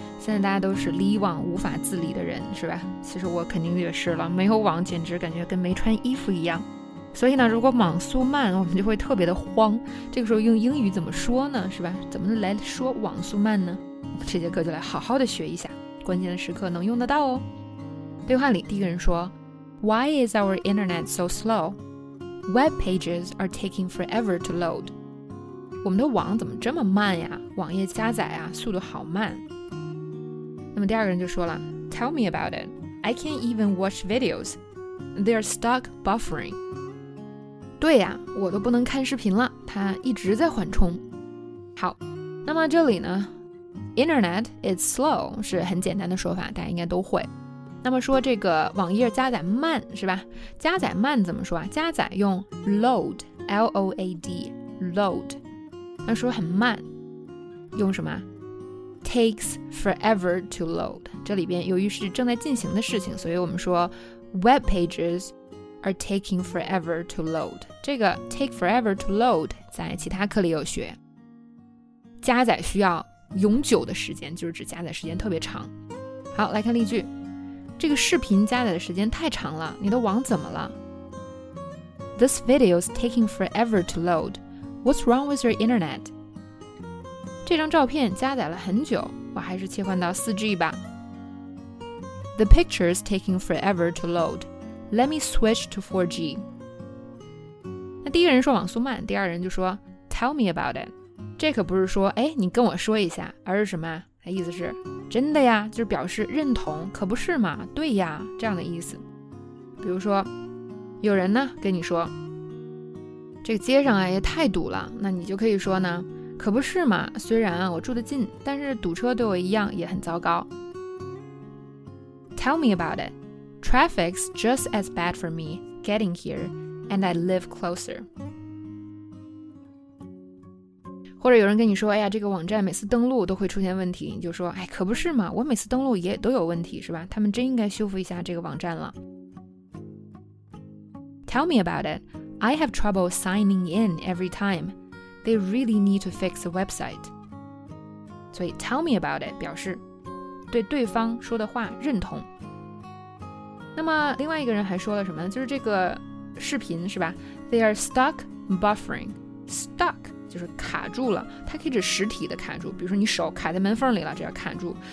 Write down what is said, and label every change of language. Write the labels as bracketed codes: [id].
[zh] 现在大家都是离网无法自理的人，是吧？其实我肯定也是了，没有网简直感觉跟没穿衣服一样。所以呢，如果网速慢，我们就会特别的慌。这个时候用英语怎么说呢？是吧？怎么来说网速慢呢？我们这节课就来好好的学一下，关键的时刻能用得到哦。对话里第一个人说 [en] ，Why is our internet so slow? Web pages are taking forever to load. [zh] 我们的网怎么这么慢呀？网页加载啊，速度好慢。那么第二个人就说了 ， [en] Tell me about it. I can't even watch videos. They're stuck buffering. [zh] 对呀，我都不能看视频了，它一直在缓冲。好，那么这里呢 ， [en] Internet is slow [zh] 是很简单的说法，大家应该都会。那么说这个网页加载慢是吧？加载慢怎么说啊？加载用 load, L O A D, load. 那说很慢用什么 [en] takes forever to load [zh] 这里边由于是正在进行的事情所以我们说 [en] web pages are taking forever to load [zh] 这个 [en] take forever to load [zh] 在其他课里有学加载需要永久的时间就是指加载时间特别长好来看例句这个视频加载的时间太长了你的网怎么了 [en] This video is taking forever to loadWhat's wrong with your internet? [zh] 这张照片加载了很久，我还是切换到 4G 吧。 [en] The picture is taking forever to load. Let me switch to 4G. [zh] 那第一个人说网速慢，第二人就说 [en] Tell me about it. [zh] 这可不是说哎，你跟我说一下，而是什么？意思是真的呀，就是表示认同，可不是嘛，对呀，这样的意思。比如说，有人呢跟你说这个街上啊也太堵了，那你就可以说呢，可不是嘛。虽然啊我住得近，但是堵车对我一样也很糟糕。 [en] Tell me about it. Traffic's just as bad for me getting here, and I live closer. [zh] 或者有人跟你说，哎呀，这个网站每次登录都会出现问题，你就说，哎，可不是嘛，我每次登录也都有问题，是吧？他们真应该修复一下这个网站了。 [en] Tell me about it. I have trouble signing in every time. They really need to fix the website. [zh] 所以 [en] tell me about it [zh] 表示对对方说的话认同。那么另外一个人还说了什么呢？就是这个视频是吧 ？ [en] They are stuck buffering. [zh] Stuck 就是卡住了，它可以指实体的卡住，比如说你手卡在门缝里了，这叫卡住。